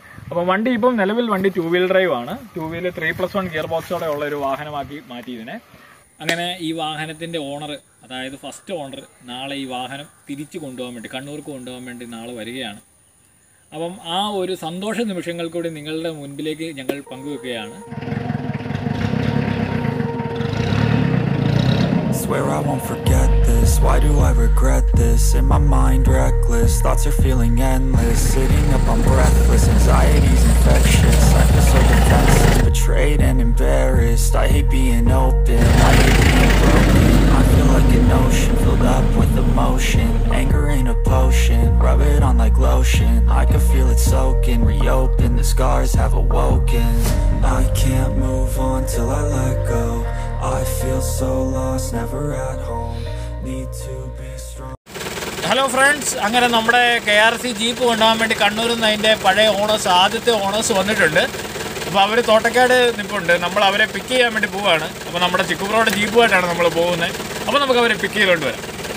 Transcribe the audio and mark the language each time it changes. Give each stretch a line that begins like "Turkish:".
Malayalam: അപ്പോൾ വണ്ടി ഇപ്പം നിലവിൽ വണ്ടി 2-wheel drive ആണ്. 2-wheel 3+1 ഗിയർ ബോക്സോടെ ഉള്ള ഒരു വാഹനമാക്കി മാറ്റി ഇതിനെ. അങ്ങനെ ഈ വാഹനത്തിൻ്റെ ഓണർ, അതായത് ഫസ്റ്റ് ഓണർ, നാളെ ഈ വാഹനം തിരിച്ചു കൊണ്ടുപോകാൻ വേണ്ടി, കണ്ണൂർക്ക് കൊണ്ടുപോകാൻ വേണ്ടി നാളെ വരികയാണ്. അപ്പം ആ ഒരു സന്തോഷ നിമിഷങ്ങൾ കൂടി നിങ്ങളുടെ മുൻപിലേക്ക് ഞങ്ങൾ പങ്കുവെക്കുകയാണ്.
English: Swear I won't forget this, why do I regret this? In my mind reckless, thoughts are feeling endless. Sitting up I'm breathless, anxiety's infectious. I feel so defenseless, betrayed and embarrassed. I hate being open, I hate being broken. I feel like an ocean, filled up with emotion. Anger ain't a potion, rub it on like lotion. I can feel it soaking, reopen, the scars have awoken. I can't move on till I let go. I feel so lost, never at home. Need to be strong.
Malayalam: Hello friends, അങ്ങനെ നമ്മുടെ K R C jeep കൊണ്ടുപോകാൻ വേണ്ടി കണ്ണൂരിൽ നിന്ന് അതിൻ്റെ പഴയ owners, ആദ്യത്തെ owners വന്നിട്ടുണ്ട്. അപ്പോൾ അവർ തോട്ടക്കാട് നിൽപ്പുണ്ട്, നമ്മൾ അവരെ പിക്ക് ചെയ്യാൻ വേണ്ടി പോവുകയാണ്. അപ്പോൾ നമ്മുടെ ചിക്കുപ്രോയുടെ ജീപ്പുമായിട്ടാണ് നമ്മൾ പോകുന്നത്. അപ്പോൾ നമുക്ക് അവരെ പിക്ക് ചെയ്തുകൊണ്ട് വരാം.